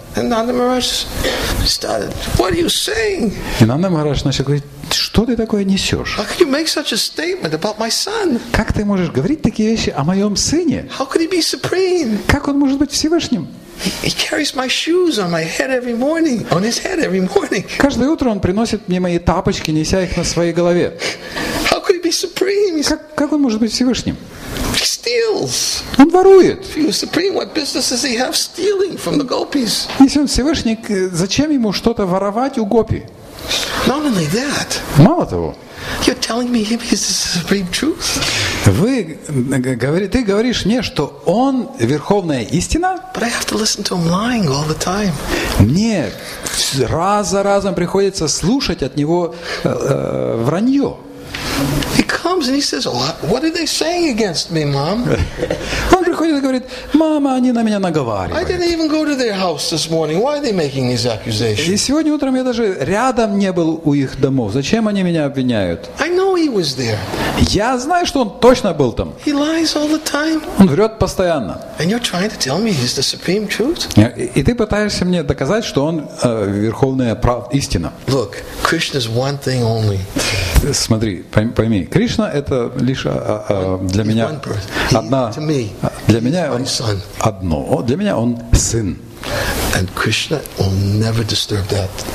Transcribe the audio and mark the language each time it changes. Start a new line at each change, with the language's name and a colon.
English: And Nanda Maharaj started, what are you saying?
Russian: И Нанда Махарадж начал говорить: что ты такое несешь?
English: How could you make such a statement about my son?
Russian: Как ты можешь говорить такие вещи о моем сыне?
English: How could he be supreme?
Russian: Как он может быть Всевышним?
English: He carries my shoes on my head every morning, on his head every morning.
Russian: Каждое утро он приносит мне мои тапочки, неся их на своей голове.
English: How could he be supreme?
Russian: Как он может быть Всевышним?
English: He steals.
Russian: Он ворует.
English: If he was supreme, what business does he have stealing from the gopis?
Russian: Если он Всевышний, зачем ему что-то воровать у гопи?
English: Not only that.
Russian: Мало того.
English: You're telling me him is the supreme truth.
Russian: Ты говоришь мне, что он верховная истина?
English: But I have to listen to him lying all the time.
Russian: Мне раз за разом приходится слушать от него вранье.
English: He comes and he says, "What are they saying against me, mom?"
Russian: Он приходит и говорит: "Мама, они на меня наговаривают."
English: I didn't even go to their house this morning. Why are they making these accusations?
Russian: И сегодня утром я даже рядом не был у их домов. Зачем они меня обвиняют?
English: I know he was there.
Russian: Я знаю, что он точно был там.
English: He lies all the time.
Russian: Он врет постоянно.
English: And you're trying to tell me he's the supreme truth?
Russian: И ты пытаешься мне доказать, что он верховная истина.
English: Look, Krishna is one thing only.
Russian: Смотри, пойми, Кришна это лишь для меня одна, для меня он одно, для меня он сын.
English: And Krishna will never disturb that.